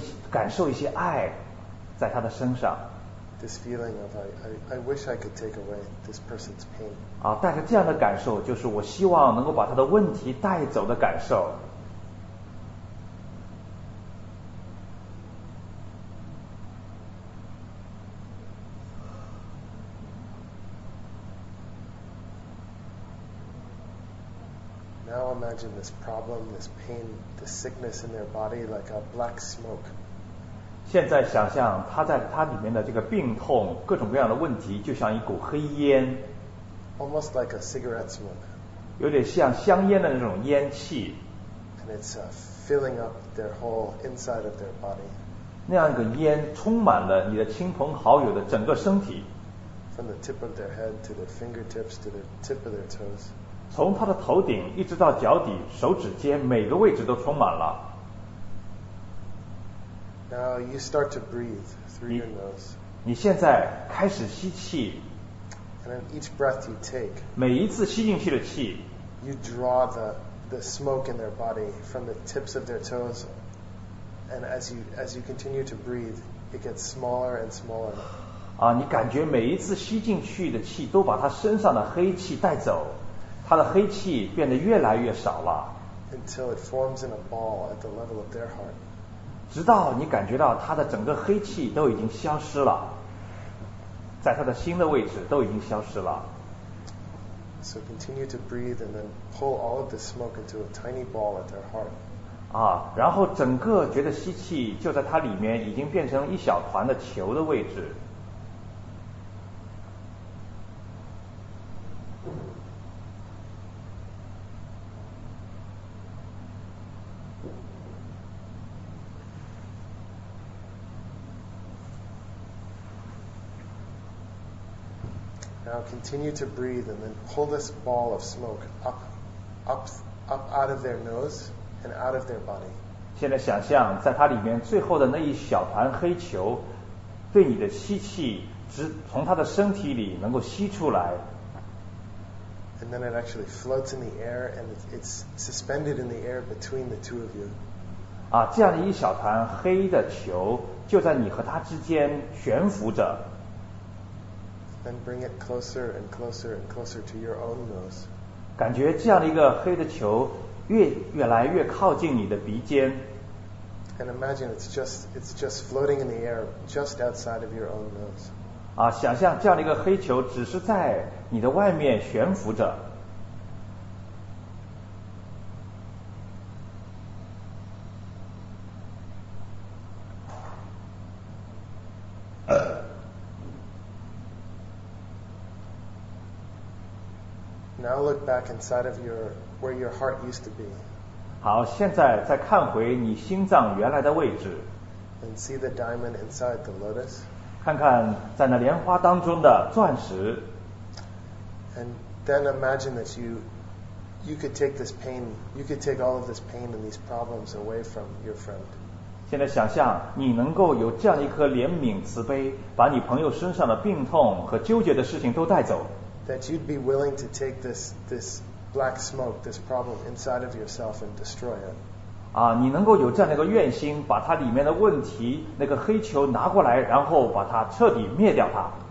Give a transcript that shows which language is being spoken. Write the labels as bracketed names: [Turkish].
[Chinese] 感受一些爱在他的身上。 [English] This feeling of I wish I could take away this person's pain. [Chinese] 啊，带着这样的感受，就是我希望能够把他的问题带走的感受。 [English] Now imagine this problem, this pain, this sickness in their body like a black smoke. [Chinese] 现在想象他在他里面的这个病痛各种各样的问题就像一股黑烟 [English] almost like a cigarette smoke [Chinese] 有点像香烟的那种烟气 [English] and it's filling up their whole inside of their body [Chinese] 那样一个烟充满了你的亲朋好友的整个身体 [English] from the tip of their head to their fingertips to the tip of their toes [Chinese] 从他的头顶一直到脚底手指尖每个位置都充满了 [English] Now you start to breathe through your nose. [Chinese] 你现在开始吸气。 [English] And then each breath you take, [Chinese] 每一次吸进去的气, [English] you draw the smoke in their body from the tips of their toes. And as you continue to breathe, it gets smaller and smaller. [Chinese] 啊，你感觉每一次吸进去的气都把他身上的黑气带走，他的黑气变得越来越少了。 [English] Until it forms in a ball at the level of their heart. [Chinese] 直到你感觉到他的整个黑气都已经消失了，在他的心的位置都已经消失了。 [English] So continue to breathe and then pull all of the smoke into a tiny ball at their heart. [Chinese] 啊，然后整个觉得吸气就在它里面已经变成一小团的球的位置。 [English] Now continue to breathe and then pull this ball of smoke up out of their nose and out of their body. [Chinese] 现在想象在它里面最后的那一小团黑球对你的吸气直从它的身体里能够吸出来。 [English] And then it actually floats in the air and it's suspended in the air between the two of you. [Chinese] 啊，这样的一小团黑的球就在你和它之间悬浮着。 [English] Then bring it closer and closer and closer to your own nose. [Chinese] 感觉这样的一个黑的球越来越靠近你的鼻尖。 [English] And imagine it's just floating in the air just outside of your own nose. [Chinese] 啊，想象这样的一个黑球只是在你的外面悬浮着。 [English] Now look back inside of where your heart used to be. [Chinese] 好，现在再看回你心脏原来的位置。 [English] And see the diamond inside the lotus. [Chinese] 看看在那莲花当中的钻石。 [English] And then imagine that you could take this pain, you could take all of this pain and these problems away from your friend. [Chinese] 现在想象你能够有这样一颗怜悯慈悲，把你朋友身上的病痛和纠结的事情都带走。 [English] That you'd be willing to take this black smoke, this problem inside of yourself and destroy it. [Chinese] 啊，你能够有这样的一个愿心，把它里面的问题，那个黑球拿过来，然后把它彻底灭掉它。